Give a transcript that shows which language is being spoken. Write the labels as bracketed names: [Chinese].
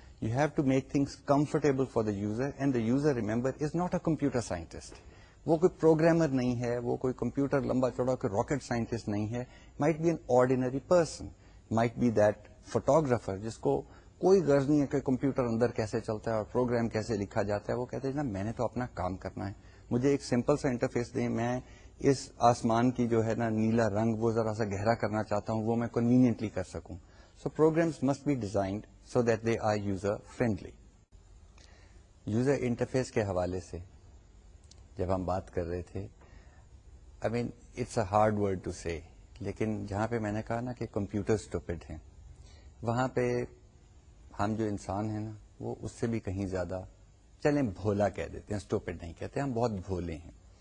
[English] You have to make things comfortable for the user, and the user remember is not a computer scientist. [Urdu] وہ کوئی programmer نہیں ہے, وہ کوئی computer لمبا چوڑا کوئی راکٹ سائنٹسٹ نہیں ہے. [English] might be an ordinary person, might be that photographer [Urdu] جس کو کوئی غرض نہیں ہے کہ کمپیوٹر اندر کیسے چلتا ہے اور پروگرام کیسے لکھا جاتا ہے. وہ کہتے ہیں نا میں نے تو اپنا کام کرنا ہے, مجھے ایک سمپل سا انٹرفیس دیں, میں اس آسمان کی جو ہے نا نیلا رنگ وہ ذرا سا گہرا کرنا چاہتا ہوں, وہ میں کنوینئنٹلی کر سکوں. [English] So programs must be designed so that they are user friendly. [Urdu] User interface کے حوالے سے جب ہم بات کر رہے تھے, [English] I mean it's a hard word to say, [Urdu] لیکن جہاں پہ میں نے کہا نا کہ کمپیوٹر سٹوپڈ ہیں, وہاں پہ ہم جو انسان ہیں نا وہ اس سے بھی کہیں زیادہ, چلیں بھولا کہہ دیتے ہیں, سٹوپڈ نہیں کہتے, ہم بہت بھولے ہیں.